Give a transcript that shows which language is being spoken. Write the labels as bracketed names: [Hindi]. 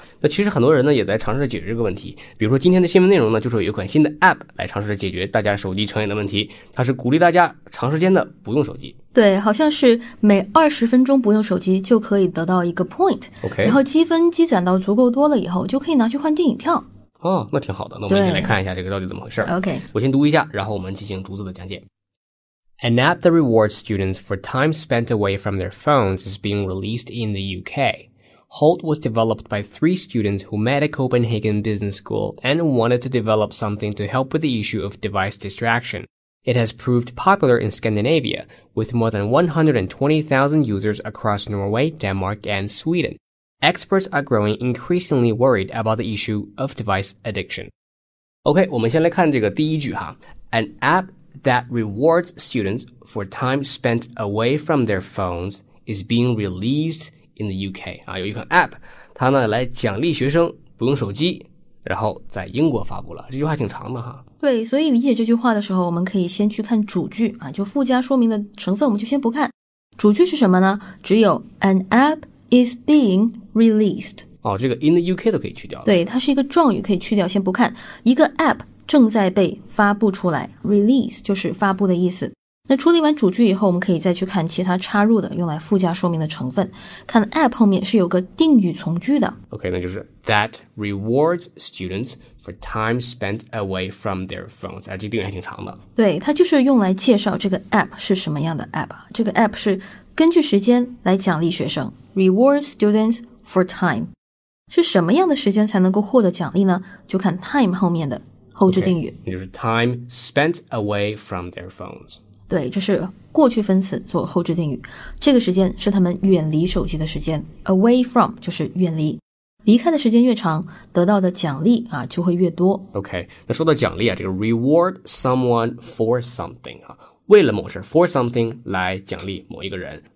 [Chinese] 那其实很多人呢也在尝试解决这个问题，比如说今天的新闻内容呢，就是有一款新的 APP 来尝试解决大家手机成瘾的问题，它是鼓励大家长时间的不用手机。对，好像是每20分钟不用手机就可以得到一个 point、 [English] okay. [Chinese] 然后积分积攒到足够多了以后就可以拿去换电影票。哦，那挺好的。那我们一起来看一下这个到底怎么回事。 [English] OK， [Chinese] 我先读一下，然后我们进行逐字的讲解。 [English] An app that rewards students for time spent away from their phones is being released in the UK. Holt was developed by 3 students who met at Copenhagen Business School and wanted to develop something to help with the issue of device distraction. It has proved popular in Scandinavia, with more than 120,000 users across Norway, Denmark, and Sweden. Experts are growing increasingly worried about the issue of device addiction. [Chinese] OK, 我们先来看这个第一句哈。 [English] An app that rewards students for time spent away from their phones is being released in the UK. [Chinese] 啊，有一款 app, 它呢来奖励学生不用手机，然后在英国发布了。这句话挺长的哈。对，所以理解这句话的时候，我们可以先去看主句啊，就附加说明的成分我们就先不看。主句是什么呢？只有 [English] an appis being released。 [Chinese] 哦，这个 [English] in the UK [Chinese] 都可以去掉了。对，它是一个状语，可以去掉，先不看。一个 app 正在被发布出来， release 就是发布的意思。那处理完主句以后，我们可以再去看其他插入的用来附加说明的成分。看 app 后面是有个定语从句的。 [English] OK， [Chinese] 那就是 [English] that rewards students for time spent away from their phones。 [Chinese] 啊，这个定语还挺长的。对，它就是用来介绍这个 app 是什么样的 app。这个 app 是根据时间来奖励学生， [English] Reward students for time. [Chinese] 是什么样的时间才能够获得奖励呢？就看 time 后面的后置定语。 [English] Okay, [Chinese] 就是 [English] time spent away from their phones. [Chinese] 对，这是过去分词做后置定语。这个时间是他们远离手机的时间。 [English] Away from [Chinese] 就是远离。离开的时间越长，得到的奖励啊就会越多。 OK, 那说到奖励啊，这个 [English] reward someone for something [Chinese] 啊，为了某事 [English] for something [Chinese] 来奖励某一个人。